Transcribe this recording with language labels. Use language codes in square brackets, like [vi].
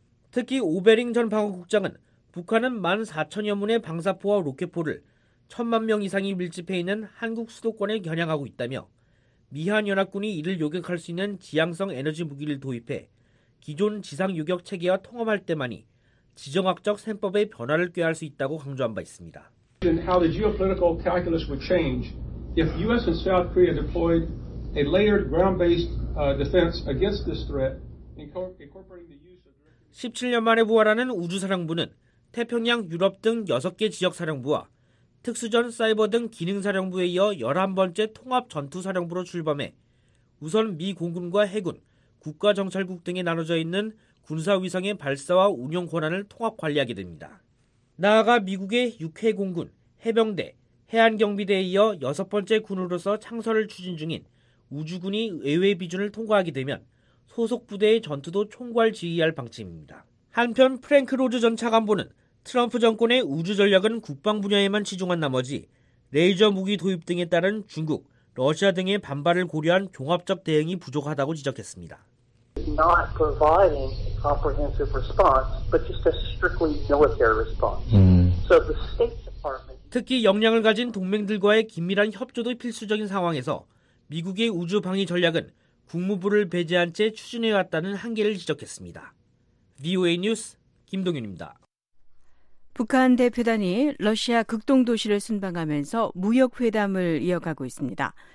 [ko] 특히 오베링 전 방어국장은 북한은 14,000여 문의 방사포와 로켓포를 1,000만 명 이상이 밀집해 있는 한국 수도권에 겨냥하고 있다며 미한연합군이 이를 요격할 수 있는 지향성 에너지 무기를 도입해 기존 지상 요격 체계와 통합할 때만이 지정학적 셈법의 변화를 꾀할 수 있다고 강조한 바 있습니다. [en] How the geopolitical calculus would change if US and South Korea deployed a layered ground-based defense against this threat incorporating the use of [ko] 17년 만에 부활하는 우주사령부는 태평양 유럽 등 6개 지역 사령부와 특수전 사이버 등 기능사령부에 이어 11번째 통합전투사령부로 출범해 우선 미 공군과 해군, 국가정찰국 등에 나눠져 있는 군사위성의 발사와 운용 권한을 통합 관리하게 됩니다. 나아가 미국의 육해공군, 해병대, 해안경비대에 이어 6번째 군으로서 창설을 추진 중인 우주군이 의회 비준을 통과하게 되면 소속 부대의 전투도 총괄 지휘할 방침입니다. 한편 프랭크 로즈 전 차관보는 트럼프 정권의 우주 전략은 국방 분야에만 치중한 나머지 레이저 무기 도입 등에 따른 중국, 러시아 등의 반발을 고려한 종합적 대응이 부족하다고 지적했습니다. [en] Not providing a comprehensive response, but just a strictly military response. So the State Department. [ko] 특히 역량을 가진 동맹들과의 긴밀한 협조도 필수적인 상황에서 미국의 우주 방위 전략은 국무부를 배제한 채 추진해왔다는 한계를 지적했습니다. VOA 뉴스 김동윤입니다. 북한 대표단이 러시아 극동도시를 순방하면서 무역회담을 이어가고 있습니다.